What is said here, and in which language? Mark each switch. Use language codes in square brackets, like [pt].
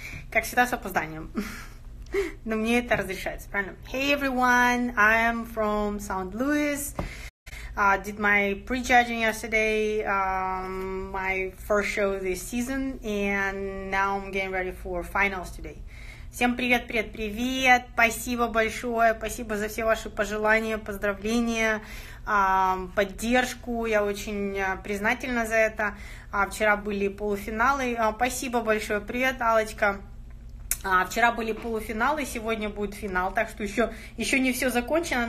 [ru] Как всегда, с опозданием. Но мне это разрешается, правильно? [en] Hey everyone, I am from St. Louis. Did my prejudging yesterday, my first show this season, and now I'm getting ready for finals today. [ru] Всем привет, привет, привет! Спасибо большое, спасибо за все ваши пожелания, поздравления, поддержку. Я очень признательна за это. Вчера были полуфиналы. Спасибо большое, привет, Аллочка. Вчера были полуфиналы, сегодня будет финал, так что еще не все закончено.